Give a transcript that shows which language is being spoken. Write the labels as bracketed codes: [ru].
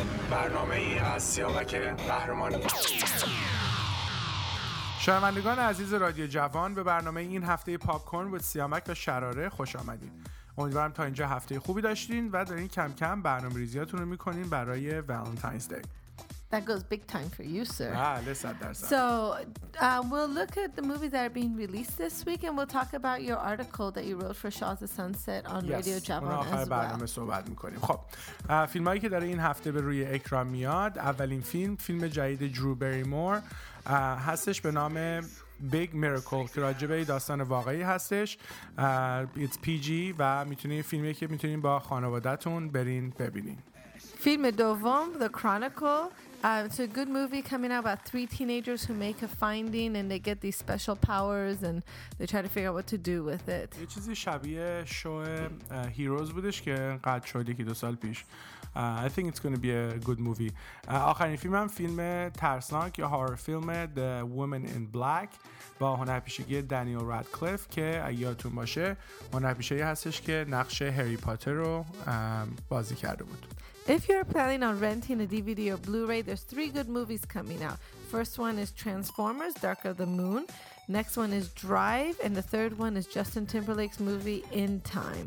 [fa] برنامه ای از سیاوک قهرمانی. شنوندگان عزیز رادیو جوان، به برنامه این هفته پاپکورن با سیامک و شراره خوش آمدید. امیدوارم تا اینجا هفته خوبی داشتین و دارین کم کم برنامه ریزیاتون رو میکنین برای ولنتاینز دی. [en] That goes big time for you, sir. [fa] بله، صد درصد. [en] So, we'll look at the movies that are being released this week and we'll talk about your article that you wrote for Shaw the Sunset on Radio Javan as well. [fa] Yes, آخر برنامه صحبت میکنیم. خب، فیلم هایی که داره این هفته به روی اکران میاد، اولین فیلم جدید درو بریمور هستش به نام Big Miracle که راجبه داستان واقعی هستش. [en] It's PG [fa] و میتونی فیلمی که میتونین با خانوادتون برین ببینین. فیلم دوم The Chronicle. [en] It's a good movie coming out about three teenagers who make a finding and they get these special powers and they try to figure out what to do with it. [fa] یه چیزی شبیه شو هیروز بودش که قد شد یکی دو سال پیش. [en] I think it's going to be a good movie. [fa] آخرین فیلم هم فیلم ترسناک یا هارر فیلم The Woman in Black با هنرپیشگی دانیل رادکلیف که اگه یادتون باشه هنرپیشگی هستش که نقش هری پاتر رو بازی کرده بود. [en] If you're planning on renting a DVD or Blu-ray, there's three good movies coming out. First one is Transformers: Dark of the Moon. Next one is Drive, and the third one is Justin Timberlake's movie In Time.